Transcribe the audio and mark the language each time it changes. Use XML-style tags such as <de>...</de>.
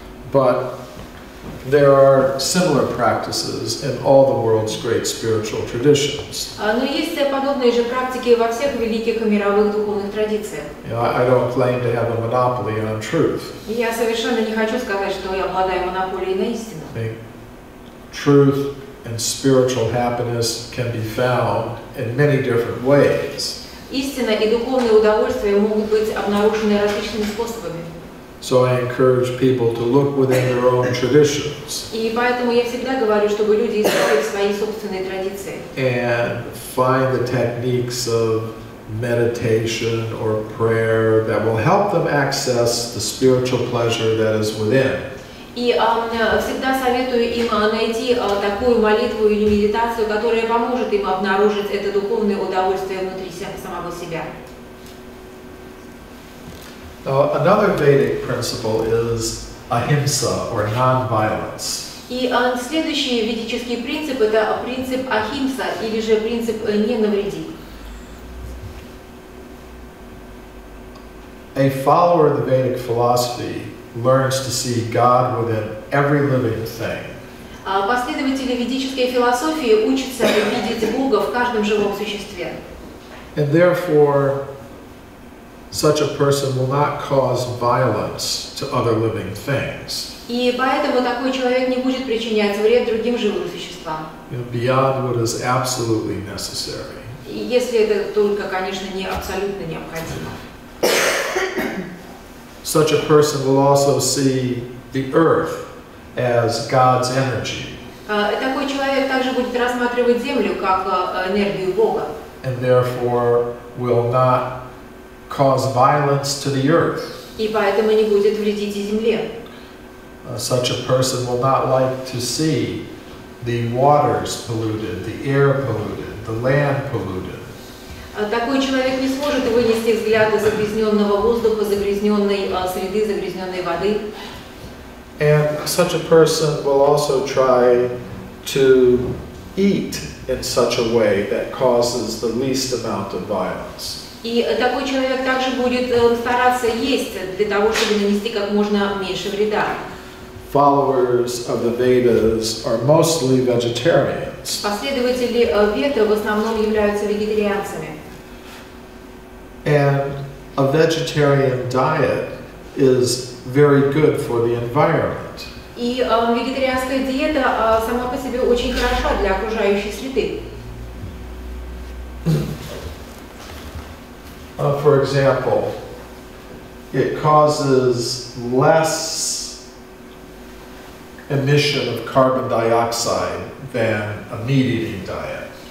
<en>But there are similar practices in all the world's great spiritual traditions.</en> <ru>Но есть подобные же практики во всех великих мировых духовных традициях.</ru> <en>I don't claim to have a monopoly on truth.</en> <ru>Я совершенно не хочу сказать, что я обладаю монополией на истину.</ru> <en>Truth and spiritual happiness can be found in many different ways.</en> <ru>Истина и духовное удовольствие могут быть обнаружены различными способами.</ru> <en>So I encourage people to look within their own traditions.</en> <ru>И поэтому я всегда говорю, чтобы люди искали свои собственные традиции.</ru> <en>And find the techniques of meditation or prayer that will help them access the spiritual pleasure that is within.</en> <ru>И всегда советую им найти такую молитву или медитацию, которая поможет им обнаружить это духовное удовольствие внутри самого себя.</ru> <en>Another Vedic principle is ahimsa or non-violence.</en> <ru>И следующий ведический принцип это принцип ахимса или же принцип не навреди.</ru> <en>A follower of the Vedic philosophy learns to see God within every living thing.</en> <ru>Последователи ведической философии учатся видеть Бога в каждом живом существе.</ru> <en>And therefore, such a person will not cause violence to other living things.</en> <ru>И поэтому такой человек не будет причинять вред другим живым существам.</ru> <en>Beyond what is absolutely necessary.</en> <ru>Если это только, конечно, не абсолютно необходимо.</ru> <en>Such a person will also see the earth as God's energy.</en> <ru>Такой человек также будет рассматривать землю как энергию Бога.</ru> <en>And therefore will not cause violence to the earth.</en> <ru>И поэтому не будет вредить земле.</ru> <en>Such a person will not like to see the waters polluted, the air polluted, the land polluted.</en> <ru>Такой человек не сможет вынести взгляды загрязненного воздуха, загрязненной среды, загрязненной воды.</ru> <en>And such a person will also try to eat in such a way that causes the least amount of violence.</en> <ru>И такой человек также будет стараться есть для того, чтобы нанести как можно меньше вреда.</ru> <en>Followers of the Vedas are mostly vegetarians.</en> <ru>Последователи Веды в основном являются вегетарианцами.</ru> <en>And a vegetarian diet is very good for the environment.</en> <ru>И вегетарианская диета сама по себе очень хороша для окружающей среды.</ru> <en>For example, it causes less emission of carbon dioxide than a meat-eating diet.</en>